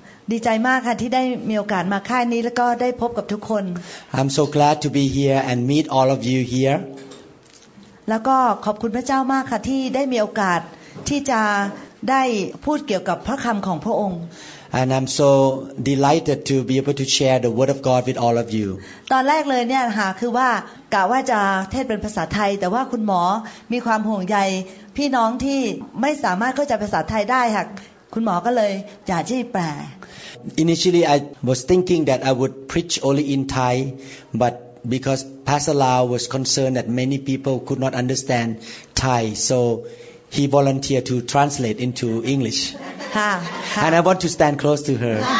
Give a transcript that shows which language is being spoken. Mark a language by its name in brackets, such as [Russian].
[Thai] ดีใจมากค่ะที่ได้มีโอกาสมาค่ายนี้แล้วก็ได้พบกับทุกคน [English] I'm so glad to be here and meet all of you here [Thai] แล้วก็ขอบคุณพระเจ้ามากค่ะที่ได้มีโอกาสที่จะได้พูดเกี่ยวกับพระคำของพระองค์ [English] And I'm so delighted to be able to share the word of God with all of you [Thai] ตอนแรกเลยเนี่ยค่ะคือว่ากะว่าจะเทศเป็นภาษาไทยแต่ว่าคุณหมอมีความห่วงใยพี่น้องที่ไม่สามารถเข้าใจภาษาไทยได้ค่ะคุณหมอก็เลยอยากที่แปล [English] Initially I was thinking that I would preach only in Thai but because Pastor Lau was concerned that many people could not understand Thai so he volunteered to translate into English and I want to stand close to her